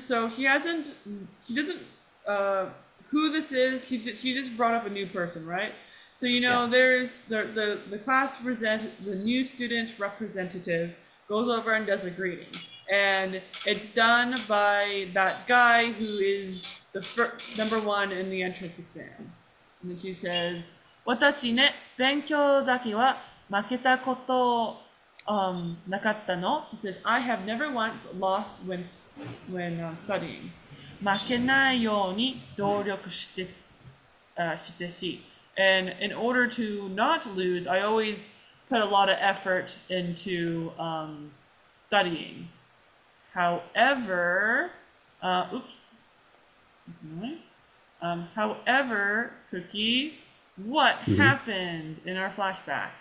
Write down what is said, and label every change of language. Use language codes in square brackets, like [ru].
[en] So she just brought up a new person, right? So, you know, there's the class present, the new student representative goes over and does a greeting. And it's done by that guy who is the first, number one in the entrance exam. And then she says, [ja] 私ね、勉強だけは負けたことなかったの? [en] She says, I have never once lost when studying. [ja] 負けないように努力して、してし。 [en] And in order to not lose, I always put a lot of effort into studying. However, however, Cookie, what happened in our flashback?